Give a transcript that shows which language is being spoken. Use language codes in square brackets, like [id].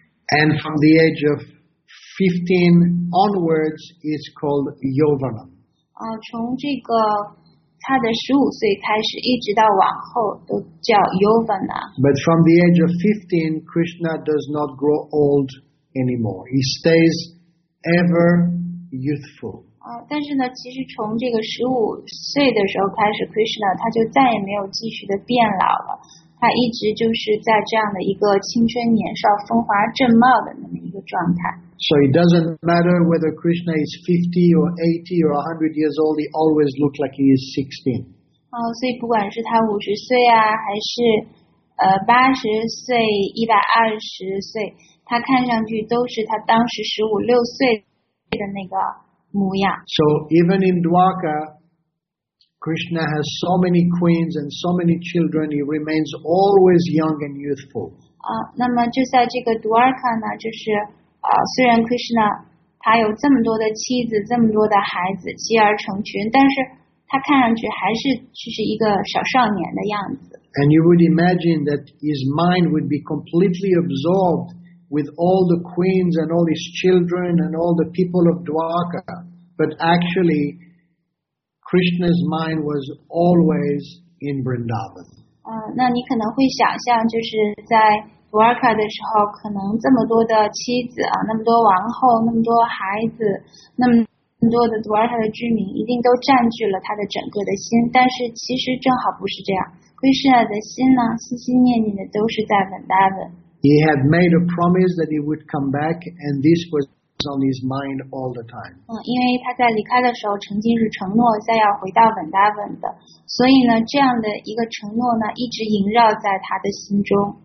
[en] And from the age of 15 onwards is called Yovana. [zh] 从这个他的十五岁开始一直到往后都叫 Yovana. [en] But from the age of 15, Krishna does not grow old anymore. He stays ever youthful. [zh] 但是呢其实从这个十五岁的时候开始 Krishna 他就再也没有继续的变老了。他一直就是在这样的一个青春年少风华正茂的那么一个状态。 [en] So it doesn't matter whether Krishna is 50 or 80 or 100 years old, he always looks like he is 16. [zh] 所以不管是他50岁啊还是80岁120岁他看上去都是他当时15、6岁的那个模样。 [en] So even in Dwarka, Krishna has so many queens and so many children, he remains always young and youthful. [zh] 那么就在这个 Dwarka 呢就是虽然 Krishna 他有这么多的妻子这么多的孩子妻儿成群但是他看上去还是就是一个小少年的样子。 [en] And you would imagine that his mind would be completely absorbed with all the queens and all his children and all the people of Dwarka. But actually, Krishna's mind was always in Vrindavan. [zh] 那你可能会想象就是在瓦尔卡的时候可能这么多的妻子啊那么多王后那么多孩子那么多的瓦尔卡的居民一定都占据了他的整个的心但是其实正好不是这样。 Krishna 的心呢心心念念的都是在稳大的。 [en] He had made a promise that he would come back and this was on his mind all the time. [zh] 因为他在离开的时候曾经是承诺再要回到稳大稳的。所以呢这样的一个承诺呢一直萦绕在他的心中。